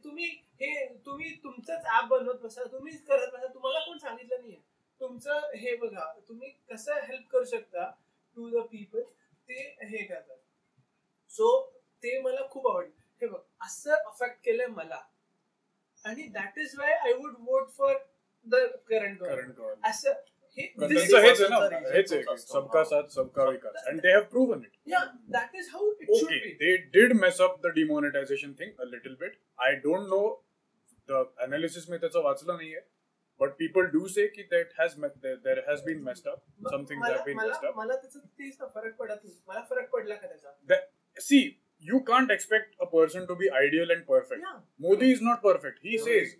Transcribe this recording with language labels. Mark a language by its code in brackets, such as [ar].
[mr] तुम्ही हे तुम्ही तुमचंच ऍप बनवत बसा तुम्ही करत बसा तुम्हाला कोण सांगितलं नाही आहे तुमचं हे बघा तुम्ही कसं हेल्प करू शकता टू द पीपल ते हे करतात सो ते मला खूप आवडलं हे बघ असं अफेक्ट केलंय मला आणि [en] that is why I would vote for the current government [mr] असं [hi] सबका साथ सबका विकास [en] and they have proven it that is how it should be they did mess up the demonetisation thing a little bit I don't know the analysis [mr] में त्याचा वाचला नाही आहे [en] but people do say की that has there has been messed up something that has been messed up [mr] मला त्याचा तेच फरक पडत नाही मला फरक पडला का [en] त्याचा see you can't expect a person to be ideal and perfect Modi is not perfect he says